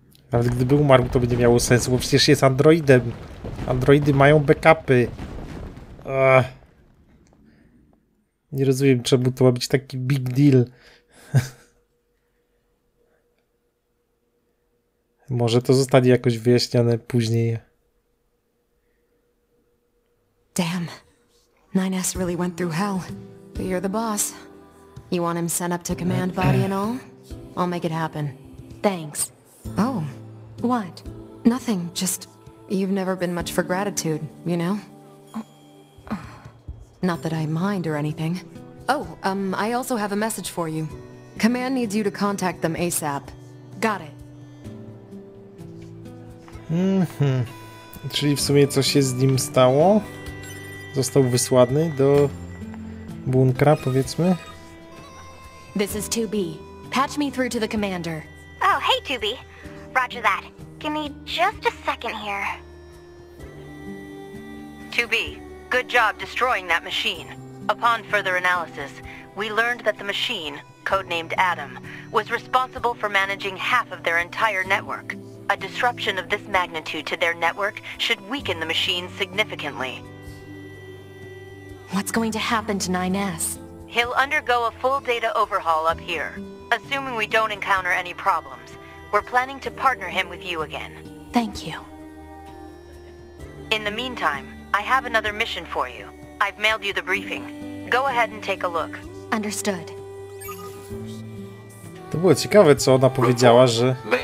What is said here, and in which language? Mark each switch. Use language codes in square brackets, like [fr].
[pl] Ale gdyby umarł, to by nie miało sensu, bo przecież jest androidem. Androidy mają backupy. Nie rozumiem, czemu to ma być taki [en] big deal. [pl] Może to zostanie jakoś wyjaśnione później. [en] Damn. 9S really went through hell. But you're the boss. You want him sent up to command body and all? I'll make it happen. Thanks. Oh. What? Nothing, just... You've never been much for gratitude, you know? Not that I mind or anything. Oh, I also have a message for you. Command needs you to contact them ASAP. Got it. [pl] Czyli w sumie co się z nim stało? Został wysłany do bunkra, powiedzmy. [en] This is 2B. Patch me through to the commander. Oh, hey 2B. Roger that. Give me just a second here. 2B, good job destroying that machine. Upon further analysis, we learned that the machine, codenamed Adam, was responsible for managing half of their entire network. A disruption of this magnitude to their network should weaken the machine significantly. What's going to happen to 9S? He'll undergo a full data overhaul up here. Assuming we don't encounter any problems, we're planning to partner him with you again. Thank you. In the meantime, I have another mission for you. I've mailed you the briefing. Go ahead and take a look. Understood. [pl] To było ciekawe, co ona powiedziała, że...